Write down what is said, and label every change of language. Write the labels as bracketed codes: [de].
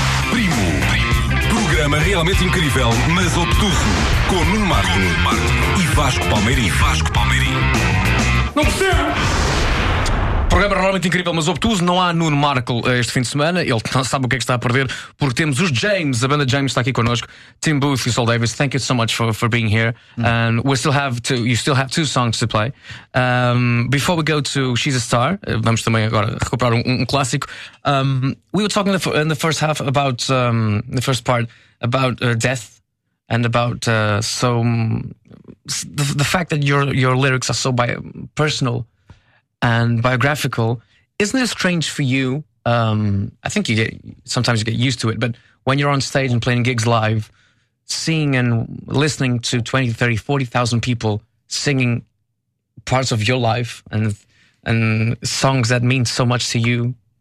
[pt] Primo. Programa realmente incrível, mas obtuso. Com Nuno Marco e Vasco Palmeirinho. Vasco Palmeirinho. Não percebo! Programa realmente incrível, mas obtuso. Não há Nuno Marco este fim de semana. Ele não sabe o que é que está a perder, porque temos os James. A banda James está aqui connosco. Tim Booth e Saul Davis, [en] thank you so much for being here. And we still have two, you still have two songs to play. Before we go to [pt] She's a Star, vamos também agora recuperar um clássico. [en] We were talking in the first half about the first part about death and about the fact that your lyrics are so personal and biographical. Isn't it strange for you? I think you get used to it, but when you're on stage and playing gigs live, seeing and listening to 20, 30, 40,000 people singing parts of your life and songs that mean so much to you?